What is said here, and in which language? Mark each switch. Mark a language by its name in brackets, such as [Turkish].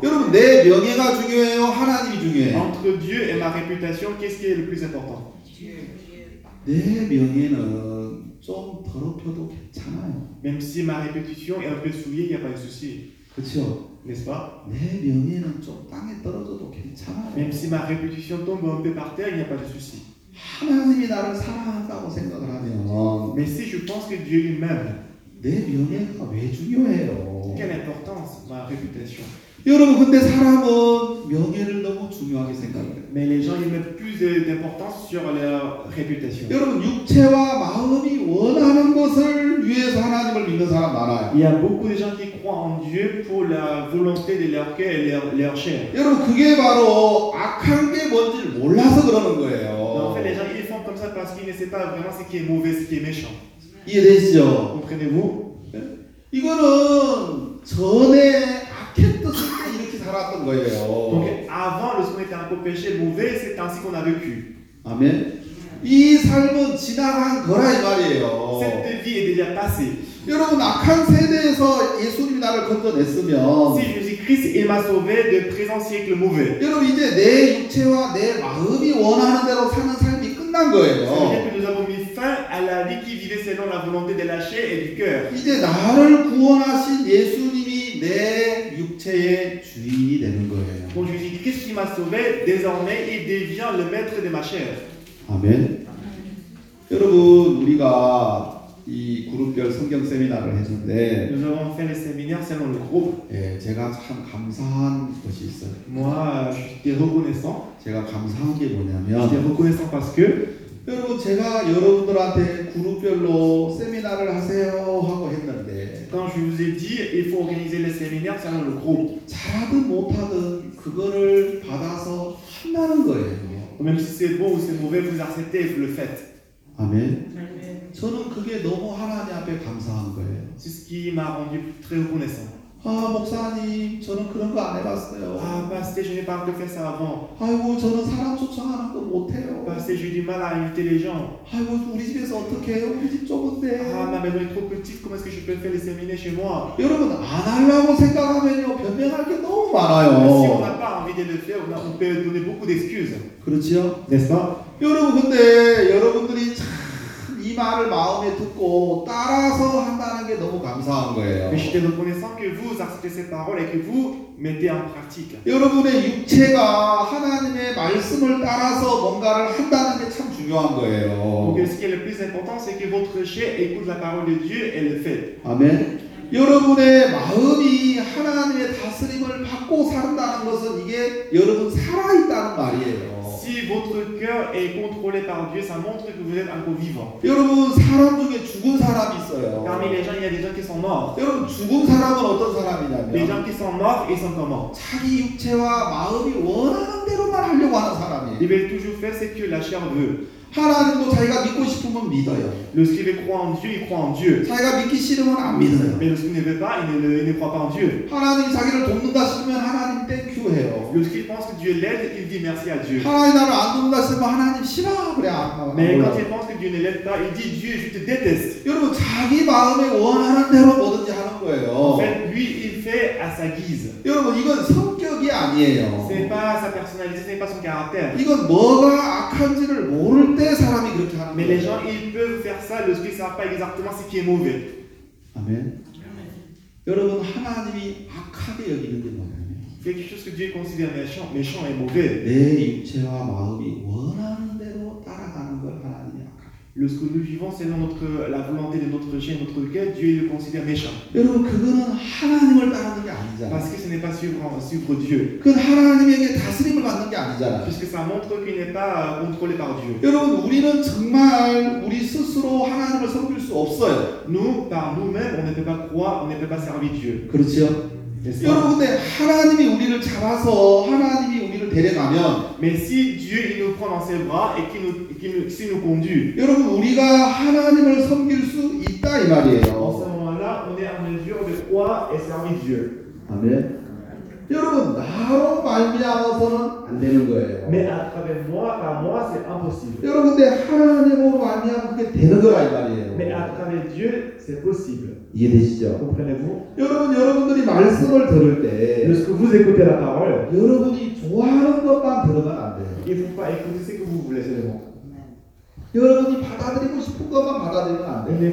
[Korean] 여러분 내 명예가 중요해요, 하나님이 중요해요. [French] Entre Dieu et ma réputation, qu'est-ce qui est le plus important? [Korean] 내 명예는 좀 더럽혀도 괜찮아요. [French] Même si ma réputation est un peu souillée, il n'y a pas de souci. [Korean] 그렇죠. [French] N'est-ce pas? [Korean] 내 명예는 좀 땅에 떨어져도 괜찮아요. [French] Même si ma réputation tombe un peu par terre, il n'y a pas de souci. [Korean] 하나님이 나를 사랑한다고 생각을 하면. [French] Mais si je pense que Dieu lui-même [Korean] 내 명예가 왜 중요해요? [French] Quelle importance ma réputation? [Korean] 여러분 근데 사람은 명예를 너무 중요하게 생각해요. [French] Mais les gens ils mettent plus d'importance sur leur réputation. [Korean] 여러분 육체와 마음이 원하는 것을 위해서 하나님을 믿는 사람 많아요. [French] Il y a beaucoup de gens qui croient en Dieu pour la volonté de leur cœur et leur chair. [Korean] 여러분 그게 바로 악한 게 뭔지 몰라서 그러는 거예요. [French] Donc les gens ils font comme ça parce qu'ils ne savent pas vraiment ce qui est mauvais, ce qui est méchant. [Korean] 이해되시죠? [French] Comprenez-vous? [Korean] 이거는 전에 악했던 때 이렇게 살았던 거예요. [French] Donc avant le sommet était un peu péché mauvais, c'est ainsi qu'on a vécu. [Korean] 아멘. 이 삶은 지나간 거라 이 말이에요. [French] Cette vie est déjà passée. [Korean] 여러분 악한 세대에서 예수님이 나를 건져냈으면 [French] Si Jésus-Christ il m'a sauvé de présent siècle mauvais. [Korean] 여러분 이제 내 육체와 내 마음이 원하는 대로 사는 삶이 끝난 거예요. [French] À la vie qui vivait selon la volonté de la chair et du cœur. [Korean] 이제 나를 구원하신 예수님이 내 육체의 주인이 되는 거예요. [French] Donc Jésus-Christ qui m'a sauvé désormais il devient le maître de ma chair. [Korean] 아멘. 여러분 우리가 이 그룹별 성경 세미나를 했는데. [French] Nous avons fait le séminaire selon le groupe. [Korean] 예, 제가 참 감사한 것이 있어요. [French] Moi, je suis reconnaissant. [Korean] 제가 감사한 게 뭐냐면. [French] Je suis reconnaissant parce que [Korean] 여러분 제가 여러분들한테 그룹별로 세미나를 하세요 하고 했는데 [French] quand je vous ai dit il faut organiser les séminaires selon le groupe [Korean] 잘하든 못하든 그거를 받아서 한다는 거예요. [French] Même si c'est bon ou c'est mauvais vous acceptez vous le faites. [Korean] 아멘. 저는 그게 너무 하나님 앞에 감사한 거예요. [French] C'est ce qui m'a rendu très reconnaissant. [Korean] 아 목사님 저는 그런 거 안 해봤어요. [French] 아 pasteur je n'ai pas encore fait ça avant. [Korean] 아이고 저는 사람 초청하는 거 못해요. [French] Pasteur j'ai du mal à inviter les gens. [Korean] 아이고 우리 집에서 어떻게 해요? 우리 집 좁은데. [French] 아 ma maison est trop petite. Comment est-ce que je peux faire les séminaires chez moi? [Korean] 여러분 안 하려고 생각하면요 변명할 게 너무 많아요. [French] Si on n'a pas envie de le faire, on peut donner beaucoup d'excuses. [Korean] 그렇지요? [French] N'est-ce pas? [Korean] 여러분 근데 여러분들이 이 말을 마음에 듣고 따라서 한다는 게 너무 감사한 거예요. [French] Je suis reconnaissant que vous acceptez cette parole et que vous mettez en pratique. [Korean] 여러분의 육체가 하나님의 말씀을 따라서 뭔가를 한다는 게 참 중요한 거예요. [French] Donc ce qui est le plus important, c'est que votre chair écoute la parole de Dieu et le fait. [Korean] 아멘. 여러분의 마음이 하나님의 다스림을 받고 산다는 것은 이게 여러분 살아있다는 말이에요. [French] Si votre cœur est contrôlé par Dieu, ça montre que vous êtes encore vivant. [Korean] 여러분 사람 중에 죽은 사람이 있어요. [French] Parmi les gens, il y a des gens qui sont morts. [Korean] 여러분 죽은 사람은 어떤 사람이냐면 [French] Les gens qui sont morts, ils sont comment? [Korean] 자기 육체와 마음이 원하는 대로만 하려고 하는 사람이에요. [French] Ils veulent toujours faire ce que la chair veut. [Korean] 하나님도 자기가 믿고 싶으면 믿어요. [French] Lorsqu'il veut croire en Dieu, il croit en Dieu. [Korean] 자기가 믿기 싫으면 안 믿어요. [French] Mais lorsqu'il ne veut pas, il ne croit pas en Dieu. [Korean] 하나님 자기를 돕는다 싶으면 하나님 [French] Lorsqu'il pense que Dieu l'aide, il dit merci à Dieu. [Korean] 하나님 나를 안 돕는다 싶으면 하나님 싫어 그래. [French] Mais quand il pense que Dieu ne l'aide pas, il dit Dieu, je te déteste. [Korean] 여러분 자기 마음에 원하는 대로 뭐든지 하는 거예요. [French] En fait, lui, il fait à sa guise. [Korean] 여러분 이건 성격이 아니에요. [French] C'est pas sa personnalité, c'est pas son caractère. [Korean] 이건 뭐가 악한지를 모를 때 사람이 그렇게 하는 거예요. [French] Mais les gens, ils peuvent faire ça lorsqu'ils savent pas exactement ce qui est mauvais. Amen. [Korean] 여러분 하나님이 악하게 여기는 게 뭐예요? [French] Quelque chose que Dieu considère méchant, méchant et mauvais. [Korean] 내 육체와 마음이 원하는 대로 따라가는 걸 하나님이 악합니다. [French] Lorsque nous vivons selon la volonté de notre chair, notre cœur, Dieu le considère méchant. [Korean] 여러분 그거는 하나님을 따르는 게 아니잖아요. [French] Parce que ce n'est pas suivre Dieu. [Korean] 그건 하나님에게 다스림을 받는 게 아니잖아요. [French] Puisque ça montre qu'il n'est pas contrôlé par Dieu. [Korean] 여러분 우리는 정말 우리 스스로 하나님을 섬길 수 없어요. [French] Nous, par nous-mêmes, on ne peut pas croire, on ne peut pas servir Dieu. [Korean] 그렇죠? 여러분 근데 하나님이 우리를 잡아서 하나님이 우리를 데려가면 [French] Mais si Dieu il nous prend dans ses bras et qui nous conduit [Korean] 여러분 우리가 하나님을 섬길 수 있다 이 말이에요. [French] En ce moment-là, on est en mesure de croire et servir Dieu. [Korean] 아멘. 여러분 나로 말미암아서는 안 되는 거예요. [French] Mais à travers moi, par moi, c'est impossible. [Korean] 여러분 근데 하나님으로 말미암아서 그게 되는 거라 이 말이에요. [French] Mais à travers Dieu, c'est possible. [Korean] 이해되시죠? [French] Comprenez-vous? [Korean] 여러분 여러분들이 말씀을 들을 때, [French] lorsque vous écoutez la parole, [Korean] 여러분이 좋아하는 것만 들으면 안 돼요. [French] Il faut pas écouter ce que vous voulez seulement. [Korean] 여러분이 받아들이고 싶은 것만 받아들이면 안 돼요.